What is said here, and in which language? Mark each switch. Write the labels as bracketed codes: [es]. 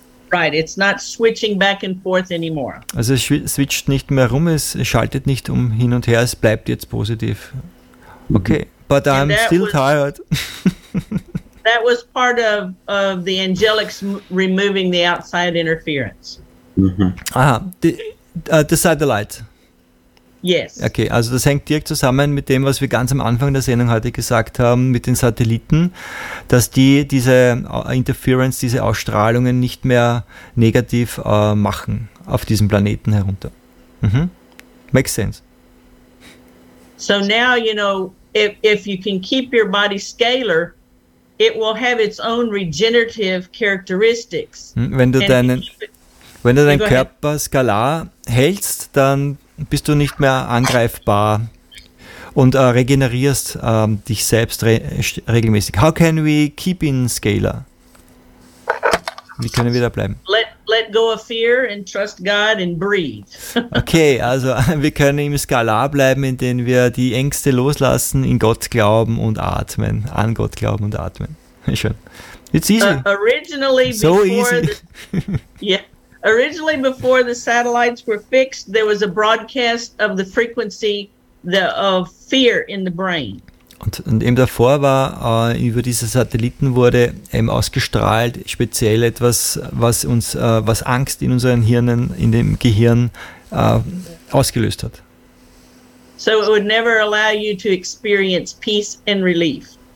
[en] Right, it's not switching back and forth anymore. [de] Also es switcht nicht mehr rum, es schaltet nicht um hin und her, es bleibt jetzt positiv. [en] Okay, but and I'm still tired. That was part of the angelics removing the outside interference. Mm-hmm. Aha, the satellite. Yes. [de] Okay, also das hängt direkt zusammen mit dem, was wir ganz am Anfang der Sendung heute gesagt haben, mit den Satelliten, dass die diese Interference, diese Ausstrahlungen nicht mehr negativ machen auf diesem Planeten herunter. [en] Mhm. Makes sense. So now, you know, if you can keep your body scalar, it will have its own regenerative characteristics. [de] Wenn du deinen Körper skalar hältst, dann bist du nicht mehr angreifbar. und regenerierst dich selbst regelmäßig. [en] How can we keep in Scalar? [de] Wie können wir da bleiben? [en] Let go of fear and trust God and breathe. [de] Okay, also wir können im Skalar bleiben, indem wir die Ängste loslassen, in Gott glauben und atmen. An Gott glauben und atmen. Schön. [en] It's easy. Originally, before the satellites were fixed, there was a broadcast of the frequency of fear in the brain. [de] Und eben davor war, über diese Satelliten wurde eben ausgestrahlt, speziell etwas, was uns, was Angst in unseren Hirnen, in dem Gehirn ausgelöst hat. [en] So it would never allow you to experience peace and relief.